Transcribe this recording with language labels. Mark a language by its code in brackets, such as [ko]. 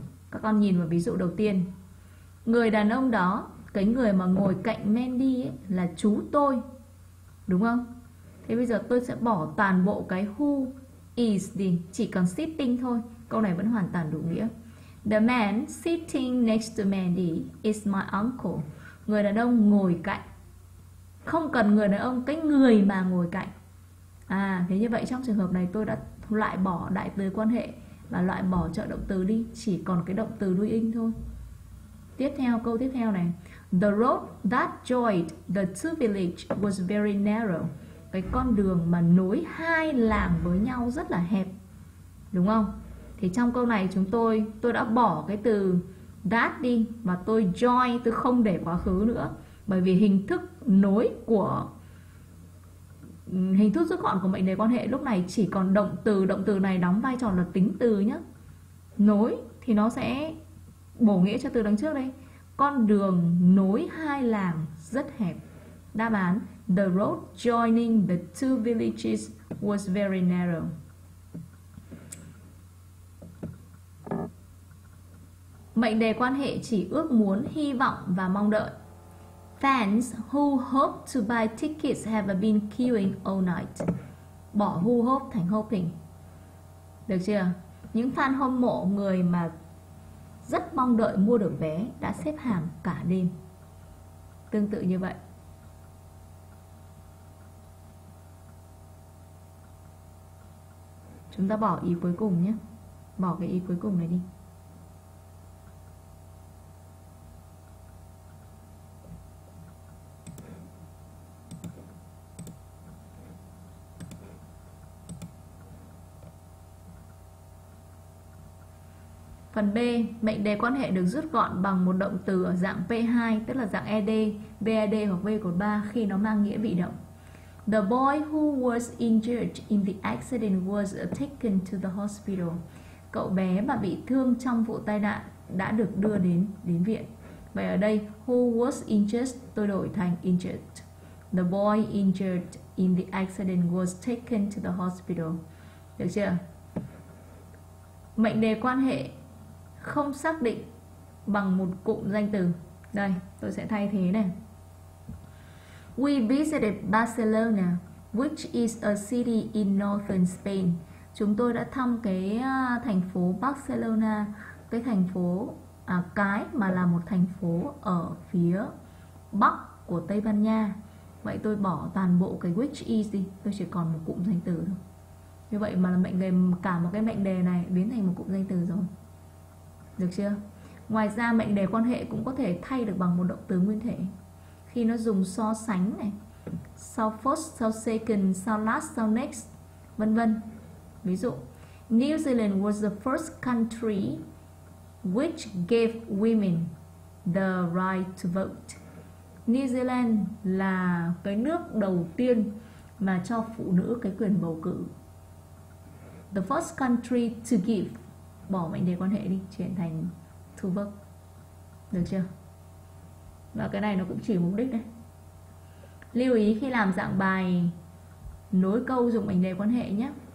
[vi] Các con nhìn vào ví dụ đầu tiên. Người đàn ông đó, cái người mà ngồi cạnh Mandy ấy, là chú tôi. Đúng không? Thế bây giờ tôi sẽ bỏ toàn bộ cái who is đi, chỉ cần sitting thôi. Câu này vẫn hoàn toàn đủ nghĩa. [en] The man sitting next to Mandy is my uncle. [vi] Người đàn ông ngồi cạnh. Không cần người đàn ông, cái người mà ngồi cạnh. À, thế như vậy trong trường hợp này tôi đã loại bỏ đại từ quan hệ và loại bỏ trợ động từ đi, chỉ còn cái động từ doing thôi. Tiếp theo, câu tiếp theo này. [en] The road that joined the two villages was very narrow. [vi] Cái con đường mà nối hai làng với nhau rất là hẹp. Đúng không? Thì trong câu này chúng tôi đã bỏ cái từ that đi và tôi join, tôi không để quá khứ nữa. Bởi vì hình thức nối của hình thức rút gọn của mệnh đề quan hệ lúc này chỉ còn động từ. Động từ này đóng vai trò là tính từ nhé. Nối thì nó sẽ bổ nghĩa cho từ đằng trước đây. Con đường nối hai làng rất hẹp. Đáp án: [en] The road joining the two villages was very narrow. [vi] Mệnh đề quan hệ chỉ ước muốn, hy vọng và mong đợi. [en] Fans who hope to buy tickets have been queuing all night. [vi] Bỏ [en] who hope [vi] thành hoping. Được chưa? Những fan hâm mộ, người mà rất mong đợi mua được vé, đã xếp hàng cả đêm. Tương tự như vậy. Chúng ta bỏ ý cuối cùng nhé. Bỏ cái ý cuối cùng này đi. Phần B, mệnh đề quan hệ được rút gọn bằng một động từ ở dạng P2, tức là dạng ED, VAD hoặc V cột 3 khi nó mang nghĩa bị động. [en] The boy who was injured in the accident was taken to the hospital. [vi] Cậu bé mà bị thương trong vụ tai nạn đã được đưa đến viện. Vậy ở đây, [en] who was injured, [vi] tôi đổi thành injured. [en] The boy injured in the accident was taken to the hospital. [vi] Được chưa? Mệnh đề quan hệ không xác định bằng một cụm danh từ. Đây, tôi sẽ thay thế này. [en] We visited Barcelona, which is a city in northern Spain. [vi] Chúng tôi đã thăm cái thành phố Barcelona, cái thành phố cái mà là một thành phố ở phía bắc của Tây Ban Nha. Vậy tôi bỏ toàn bộ cái which is đi, tôi chỉ còn một cụm danh từ thôi. Như vậy mà là mệnh đề, cả một cái mệnh đề này biến thành một cụm danh từ rồi. Được chưa? Ngoài ra mệnh đề quan hệ cũng có thể thay được bằng một động từ nguyên thể. Khi nó dùng so sánh này, sau first, sau second, sau last, sau next, vân vân. Ví dụ, [en] New Zealand was the first country which gave women the right to vote. [vi] New Zealand là cái nước đầu tiên mà cho phụ nữ cái quyền bầu cử. [en] The first country to give. [vi] Bỏ mệnh đề quan hệ đi, chuyển thành to verb. Được chưa? Và cái này nó cũng chỉ mục đích đấy. Lưu ý khi làm dạng bài nối câu dùng mệnh đề quan hệ nhé.